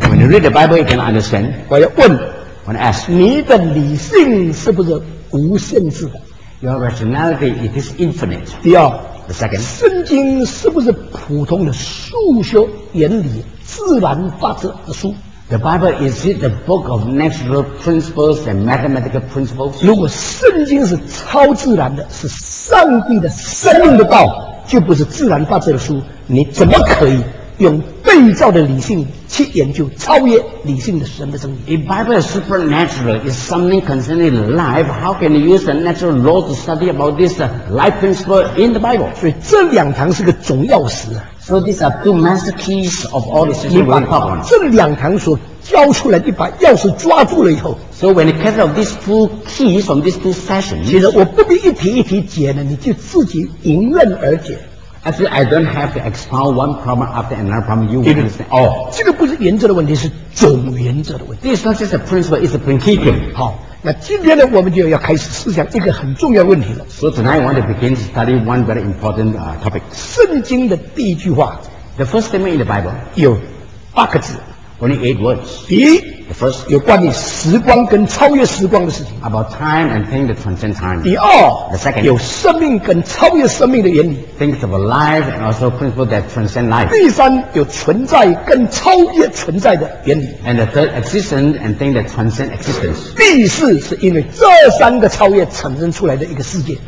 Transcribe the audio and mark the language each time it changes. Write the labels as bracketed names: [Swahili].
[English] ，When you read the Bible, you can understand. [Chinese] 我要问 [English] ，When I ask, [Chinese] 你的理性是不是无限制的？ [English] Your rationality it is infinite. [Chinese] 第二 [English] ，the second， [Chinese] 圣经是不是普通的数学原理、自然法则的书 [English] The Bible, is it the book of natural principles and mathematical principles? [Chinese] 如果圣经是超自然的，是上帝的生命的道，就不是自然法则的书，你怎么可以用被造的理性去研究超越理性的神的真理？ [English] If Bible is supernatural, is something concerning life, how can you use the natural law to study about this life principle in the Bible? [Chinese] 所以这两堂是个总钥匙。 [English] So these are two master keys of all the system. [Chinese] 你把这两堂所交出来，你把钥匙抓住了以后。 [English] So when you catch up these two keys from these two sessions. [Chinese] 其实我不必一题一题解了，你就自己迎刃而解。 [English] Actually, I don't have to expound one problem after another problem. You will understand. Oh, [Chinese] 这个不是原则的问题，是总原则的问题。 [English] This is not just a principle; it's a principle. [Chinese] 好，那今天呢，我们就要开始思想一个很重要问题了。 [English] So tonight, I want to begin to study one very important topic. [Chinese] 圣经的第一句话 [English] ，the first statement in the Bible, [Chinese] 有八个字 [English] ，only eight words. [Chinese] 第一 [English] ，the first, [Chinese] 有关于时光跟超越时光的事情 [English] ，about time and things that transcend time. [Chinese] 第二 [English] ，the second, [Chinese] 有生命跟超越生命的原理 [English] ，things of life and also principles that transcend life. [Chinese] 第三，有存在跟超越存在的原理 [English] ，and the third, existence and things that transcend existence. [Chinese] 第四，是因为这三个超越产生出来的一个世界